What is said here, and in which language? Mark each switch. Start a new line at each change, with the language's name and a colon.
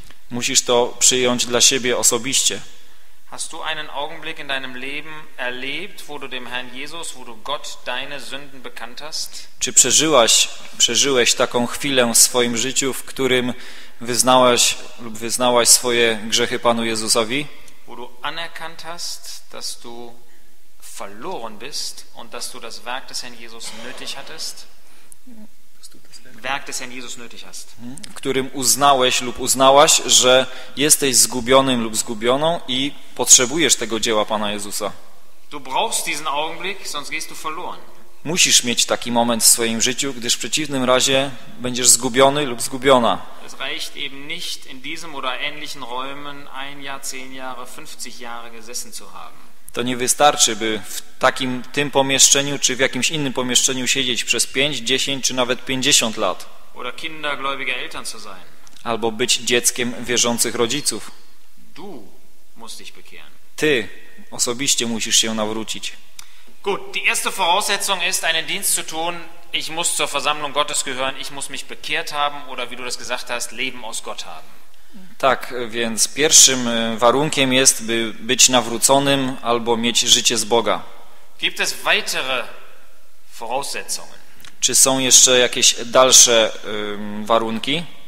Polish: Musisz to przyjąć dla siebie osobiście.
German: Hast du einen Augenblick in deinem Leben erlebt, wo du dem Herrn Jesus, wo du Gott deine Sünden bekannt hast?
Polish: Czy przeżyłeś taką chwilę w swoim życiu, w którym wyznałeś lub wyznałaś swoje grzechy Panu Jezusowi?
German: Wo du anerkannt hast, dass du verloren bist und dass du das Werk des Herrn Jesus nötig hattest. Werk des Herrn Jesus nötig hast.
Polish: W którym uznałeś lub uznałaś, że jesteś zgubionym lub zgubioną i potrzebujesz tego dzieła Pana Jezusa.
German: Du brauchst diesen Augenblick, sonst gehst du verloren.
Polish: Musisz mieć taki moment w swoim życiu, gdyż w przeciwnym razie będziesz zgubiony lub zgubiona.
German: Es reicht eben nicht in diesem oder ähnlichen Räumen ein Jahr, zehn Jahre, 50 Jahre gesessen zu haben.
Polish: To nie wystarczy, by w takim tym pomieszczeniu czy w jakimś innym pomieszczeniu siedzieć przez 5, 10 czy nawet 50 lat.
German: Oder kindergläubiger Eltern zu sein.
Polish: Albo być dzieckiem wierzących rodziców.
German: Du musst dich bekehren.
Polish: Ty osobiście musisz się nawrócić.
German: Gut, die erste Voraussetzung ist, einen Dienst zu tun. Ich muss zur Versammlung Gottes gehören. Ich muss mich bekehrt haben oder wie du das gesagt hast, Leben aus Gott haben.
Polish: Tak, więc pierwszym warunkiem jest, by być nawróconym albo mieć życie z Boga.
German: Gibt es weitere Voraussetzungen?
Polish: Czy są jeszcze jakieś dalsze warunki?